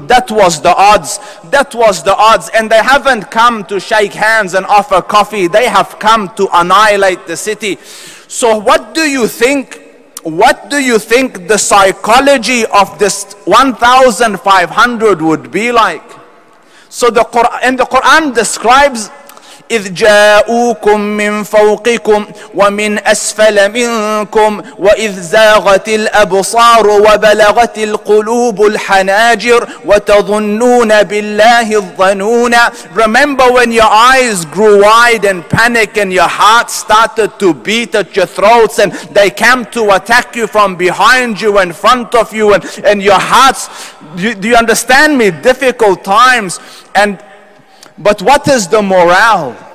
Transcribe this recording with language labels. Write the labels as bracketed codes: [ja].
[en] That was the odds. That was the odds. And they haven't come to shake hands and offer coffee. They have come to annihilate the city. So what do you think? What do you think the psychology of this 1,500 would be like? So the Quran, and the Quran describes, [ar] إِذْ جَاءُوكُمْ مِنْ فَوْقِكُمْ وَمِنْ أَسْفَلَ مِنْكُمْ وَإِذْ زَاغَتِ الْأَبْصَارُ وَبَلَغَتِ الْقُلُوبُ الْحَنَاجِرُ وَتَظُنُّونَ بِاللَّهِ الظَّنُونَ. [en] Remember when your eyes grew wide and panic and your heart started to beat at your throats and they came to attack you from behind you and front of you and your hearts, do you understand me? Difficult times. And but what is the morale?